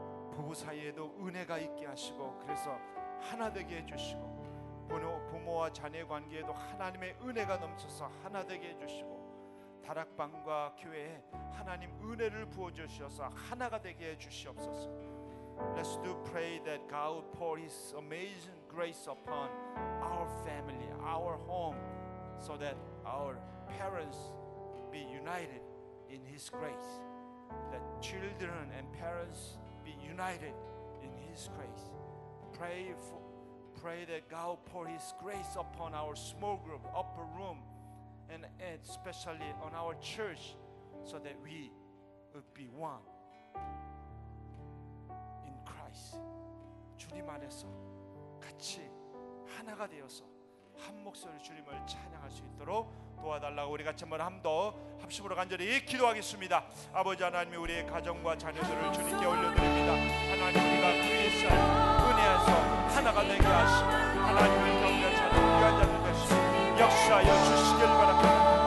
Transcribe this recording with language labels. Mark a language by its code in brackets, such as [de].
[ko] 부부 사이에도 은혜가 있게 하시고, 그래서 하나 되게 해주시고, 부모와 자녀 관계에도 하나님의 은혜가 넘쳐서 하나 되게 해주시고, 다락방과 교회에 하나님 은혜를 부어주셔서 하나가 되게 해주시옵소서. [en] Let's do pray that God will pour His amazing grace upon our family, our home, so that our parents be united in His grace. That children and parents be united in His grace. Pray that God will pour His grace upon our small group, upper room, and especially on our church, so that we would be one. [ko] 주님 안에서 같이 하나가 되어서 한 목소리로 주님을 찬양할 수 있도록 도와달라고 우리 같이 한번 함도 합심으로 간절히 기도하겠습니다. 아버지 하나님, 우리의 가정과 자녀들을 주님께 올려드립니다. 하나님, 우리가 그리스도 은혜에서 하나가 되게 하시고, 하나님을 경배하는 자녀를 위한 자녀 되시고, 역사여 주시길 바랍니다.